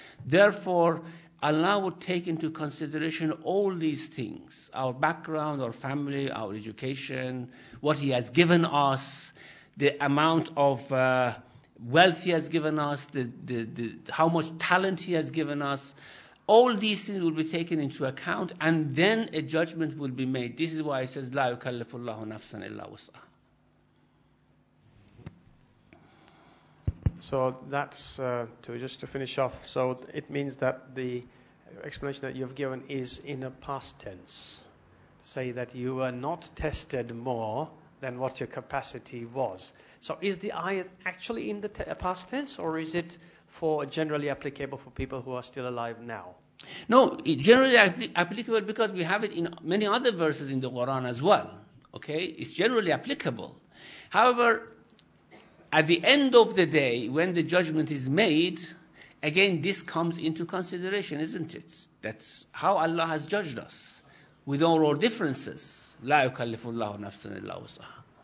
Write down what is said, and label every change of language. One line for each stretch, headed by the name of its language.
English: Therefore, Allah would take into consideration all these things, our background, our family, our education, what He has given us, the amount of wealth He has given us, the how much talent He has given us. All these things will be taken into account, and then a judgment will be made. This is why it says,
Arabic: لا يكلف الله نفسا إلا وسعها.
English: So that's, just to finish off, so it means that the explanation that you've given is in a past tense. Say that you were not tested more than what your capacity was. So is the ayat actually in the past tense, or is it for generally applicable for people who are still alive now? No, it generally applicable, because we have it in many other verses in the Quran as well. Okay, it's generally applicable. However, at the end of the day, when the judgment is made, again, this comes into consideration, isn't it? That's how Allah has judged us, with all our differences.
Arabic: لا يكلف الله نفسا إلا وسعها.